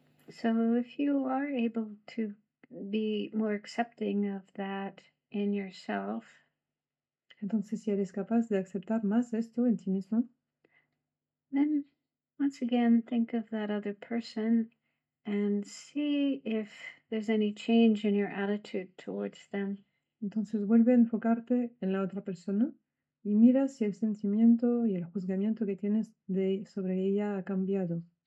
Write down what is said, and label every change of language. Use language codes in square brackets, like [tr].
[en] So, if you are able to be more accepting of that in yourself, [es] Entonces, si eres capaz de aceptar más esto en ti mismo. [en] then once again think of that other person and see if there's any change in your attitude towards them. [es] Entonces, vuelve a enfocarte en la otra persona y mira si el sentimiento y el juzgamiento que tienes sobre ella ha cambiado.